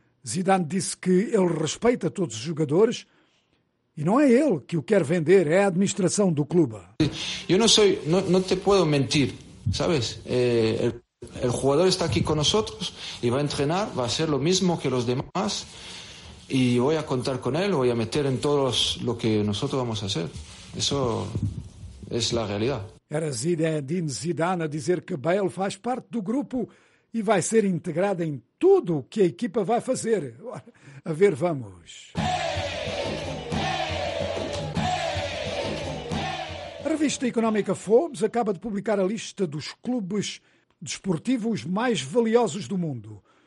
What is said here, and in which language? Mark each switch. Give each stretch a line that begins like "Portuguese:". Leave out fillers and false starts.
Portuguese: Zidane disse que ele respeita todos os jogadores e não é ele que o quer vender, é a administração do clube. Eu não sei, não te posso mentir, sabes? O jogador está aqui conosco e vai treinar, vai ser o mesmo que os demais.
Spanish: Y voy a contar con él, voy a meter en todos lo que nosotros vamos a hacer. Eso es la realidad.
Portuguese: Era Zinedine Zidane a dizer que Bale faz parte do grupo e vai ser integrado em tudo o que a equipa vai fazer.
Spanish: A ver, vamos.
Portuguese: A revista económica Forbes acaba de publicar a lista dos clubes desportivos mais valiosos do mundo.